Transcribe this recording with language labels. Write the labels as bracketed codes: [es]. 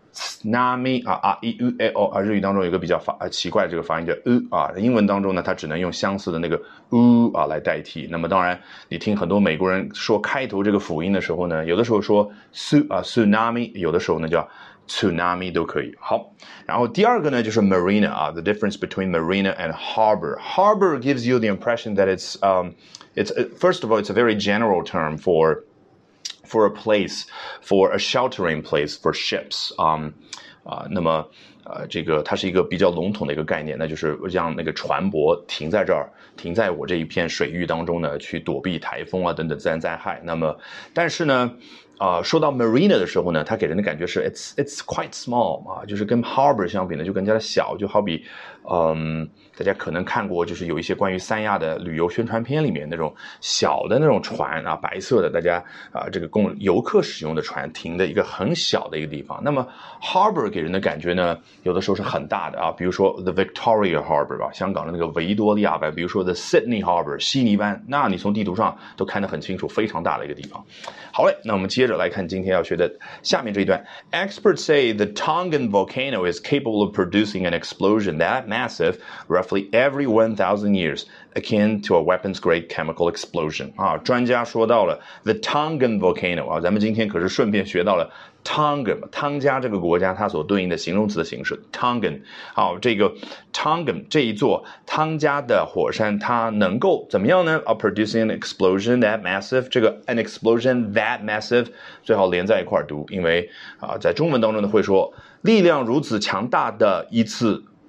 [zh] tsunami 啊 ，euao 啊，日语当中有一个比较奇怪的这个发音叫 u 啊，英文当中呢，它只能用相似的那个 u 啊来代替。那么当然，你听很多美国人说开头这个辅音的时候呢，有的时候说 tsunami， 有的时候呢叫 tsunami 都可以。好，然后第二个呢就是 marina 啊 ， [en] the difference between marina and harbor。 harbor gives you the impression that first of all it's a very general term for a place, for a sheltering place for ships. [zh] 那么这个它是一个比较笼统的一个概念，那就是让那个船舶停在这儿，停在我这一片水域当中呢，去躲避台风啊等等自然灾害。那么但是呢说到 marina 的时候呢，它给人的感觉是 [en] it's quite small [zh] 啊，就是跟 harbor 相比呢就更加的小，就好比大家可能看过就是有一些关于三亚的旅游宣传片里面那种小的那种船啊，白色的，大家这个供游客使用的船停的一个很小的一个地方。那么 harbor 给人的感觉呢，有的时候是很大的啊，比如说 the Victoria Harbor 吧，香港的那个维多利亚湾，比如说 the Sydney Harbor 悉尼湾，那你从地图上都看得很清楚，非常大的一个地方。好嘞，那我们接着来看今天要学的下面这一段。 [en] Experts say the Tongan volcano is capable of producing an explosion that massive roughly every 1,000 years akin to a weapons grade chemical explosion、啊、 [zh] 专家说到了 [en] the Tongan volcano、啊、 [zh] 咱们今天可是顺便学到了 [en] Tongan， [zh] 汤加这个国家它所对应的形容词的形式 [en] Tongan。 [zh] 好，这个 Tongan 这一座汤加的火山它能够怎么样呢？ [en] producing an explosion that massive， [zh] 这个 [en] an explosion that massive [zh] 最好连在一块读，因为、在中文当中呢会说力量如此强大的一次